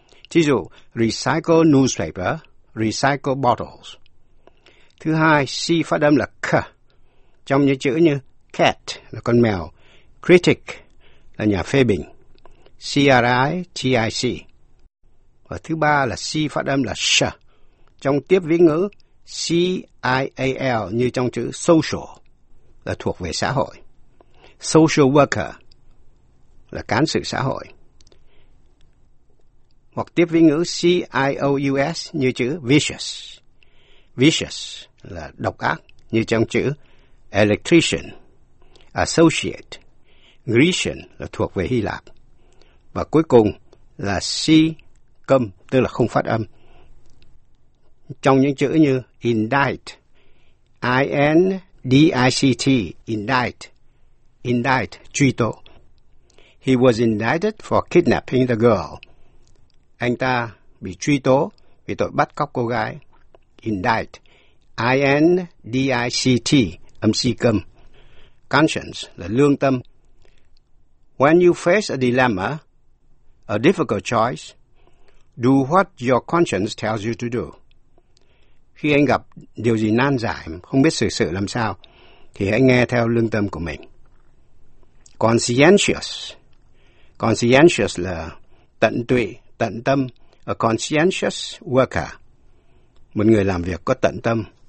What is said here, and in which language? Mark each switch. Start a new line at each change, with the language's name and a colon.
English: Thí dụ, recycle newspaper, recycle bottles.
Vietnamese: Thứ hai, C phát âm là K, trong những chữ như cat là con mèo, critic là nhà phê bình, critic. Và thứ ba là C phát âm là sh, trong tiếp viễn ngữ cial như trong chữ social là thuộc về xã hội, social worker là cán sự xã hội. Hoặc tiếp viễn ngữ cious như chữ vicious, vicious là độc ác như trong chữ electrician, associate, Grecian là thuộc về Hy Lạp. Và cuối cùng là C câm, tức là không phát âm, trong những chữ như indict, I-N-D-I-C-T, indict, indict, truy tố.
English: He was indicted for kidnapping the girl.
Vietnamese: Anh ta bị truy tố vì tội bắt cóc cô gái. Indict, I-N-D-I-C-T, âm C câm. Conscience là lương tâm.
English: When you face a dilemma, a difficult choice, do what your conscience tells you to do.
Vietnamese: Khi anh gặp điều gì nan giải, không biết xử sự làm sao, thì hãy nghe theo lương tâm của mình. Conscientious. Conscientious là tận tụy, tận tâm.
English: A conscientious worker,
Vietnamese: một người làm việc có tận tâm.